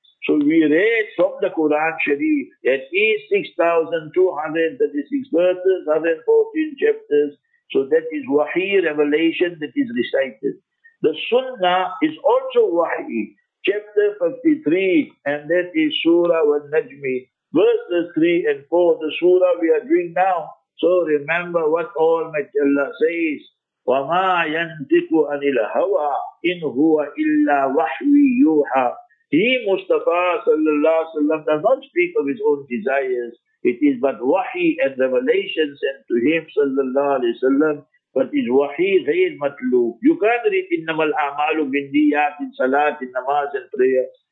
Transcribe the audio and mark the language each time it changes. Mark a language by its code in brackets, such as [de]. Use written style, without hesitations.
[en] So we read from the Quran Sharif, that is 6,236 verses, 114 chapters. So that is wahi revelation that is recited. The Sunnah is also wahi. Chapter 53, and that is Surah Al-Najmi, verses 3 and 4, the Surah we are doing now. So remember what Almighty Allah says, [ar] وَمَا يَنْتِقُ عَنِ الْهَوَىٰ إِنْ هُوَ إِلَّا وَحْوِي يُوحَىٰ. [en] He, Mustafa sallallahu alayhi wa sallam, does not speak of his own desires. It is but wahi and revelation sent to him sallallahu alayhi wa sallam. But is wahi ghayr matloob. You can't read innamal a'malu binniyat in salat, in namaz and prayer.